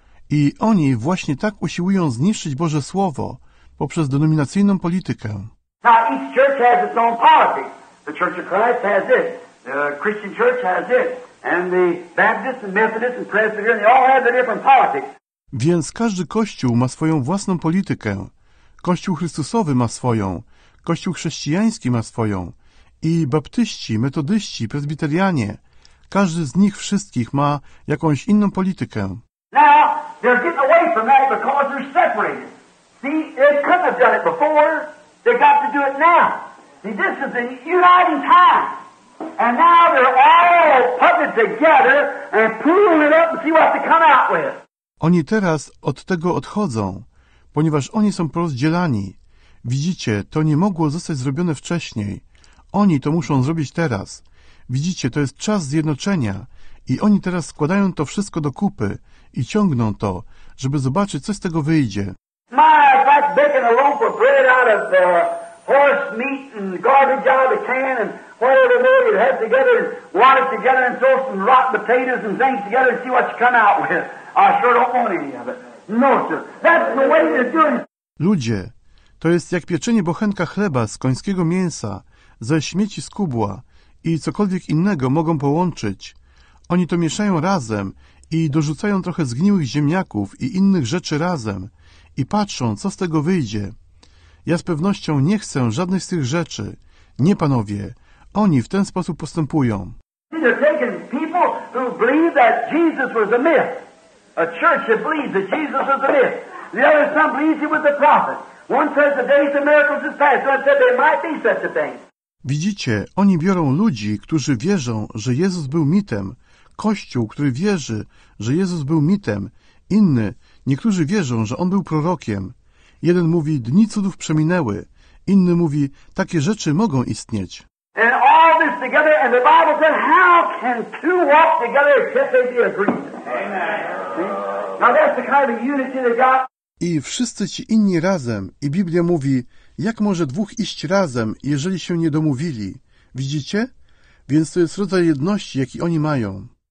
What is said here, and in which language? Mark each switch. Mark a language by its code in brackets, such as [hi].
[pl] I oni właśnie tak usiłują zniszczyć Boże Słowo poprzez denominacyjną politykę. [en] Now each church has its own policy. The Church of Christ has this. The Christian Church has this. And the Baptist and Methodist and Presbyterian, they all have their different politics. [pl] Więc każdy kościół ma swoją własną politykę. Kościół Chrystusowy ma swoją. Kościół chrześcijański ma swoją. I baptyści, metodyści, prezbiterianie. Każdy z nich wszystkich ma jakąś inną politykę. [en] Now, they're getting away from that because they're separated. See, they couldn't have done it before. They got to do it now. See, this is the uniting time. And now they're all putting it together and pulling it up and see what they come out with. [pl] Oni teraz od tego odchodzą, ponieważ oni są rozdzielani. Widzicie, to nie mogło zostać zrobione wcześniej. Oni to muszą zrobić teraz. Widzicie, to jest czas zjednoczenia i oni teraz składają to wszystko do kupy i ciągną to, żeby zobaczyć, co z tego wyjdzie. [en] My, it's like baking a loaf of bread out of the horse meat and garbage out of the can and whatever it is, you have together and water it together and throw some rotten potatoes and things together and see what you come out with. I sure don't want any of it. No, sir. That's the way they're doing it. [pl] Ludzie, to jest jak pieczenie bochenka chleba z końskiego mięsa, ze śmieci z kubła, i cokolwiek innego mogą połączyć. Oni to mieszają razem i dorzucają trochę zgniłych ziemniaków i innych rzeczy razem i patrzą, co z tego wyjdzie. Ja z pewnością nie chcę żadnych z tych rzeczy. Nie, panowie. Oni w ten sposób postępują. [en] They're taking people who believe that Jesus was a myth. A church that believes that Jesus was a myth. The other some believes he was a prophet. One says the days of miracles is past. One said there might be such a thing. [pl] Widzicie, oni biorą ludzi, którzy wierzą, że Jezus był mitem, kościół, który wierzy, że Jezus był mitem, inny, niektórzy wierzą, że on był prorokiem. Jeden mówi, dni cudów przeminęły, inny mówi, takie rzeczy mogą istnieć. [en] And all this together, and the Bible said, how can two walk together except they be agreed? Now that's the kind of unity they got. [pl] I wszyscy ci inni razem, i Biblia mówi, jak może dwóch iść razem, jeżeli się nie domówili? Widzicie? Więc to jest rodzaj jedności, jaki oni mają.